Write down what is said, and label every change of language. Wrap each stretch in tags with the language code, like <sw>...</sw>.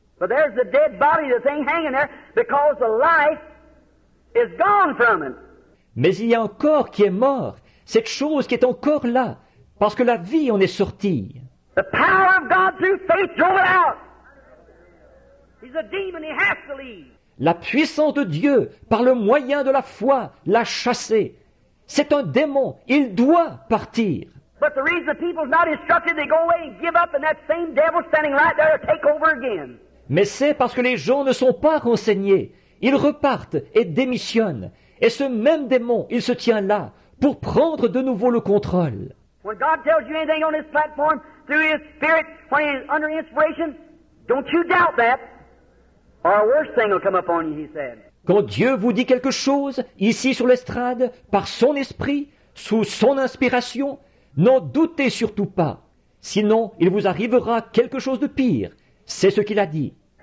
<en>But there's the dead body, the thing hanging there, because the life is gone from it.</en> <fr>Mais il y a un corps qui est mort, cette chose qui est encore là, parce que la vie en est sortie.</fr> <en>The power of God through faith drove it out. He's a demon, he has to leave.</en> <fr>La puissance de Dieu, par le moyen de la foi, l'a chassé. C'est un démon, il doit partir.</fr> <en>But the reason the people's not instructed, they go away and give up, and that same devil standing right there will take over again.</en> <fr>Mais c'est parce que les gens ne sont pas renseignés. Ils repartent et démissionnent. Et ce même démon, il se tient là pour prendre de nouveau le contrôle.</fr> <en>When God tells you anything on this platform through His Spirit, when He's under inspiration, don't you doubt that, or a worse thing will come upon you, He said.</en> <fr>Quand Dieu vous dit quelque chose, ici sur l'estrade, par son esprit, sous son inspiration, n'en doutez surtout pas. Sinon, il vous arrivera quelque chose de pire. C'est ce qu'il a dit.</fr>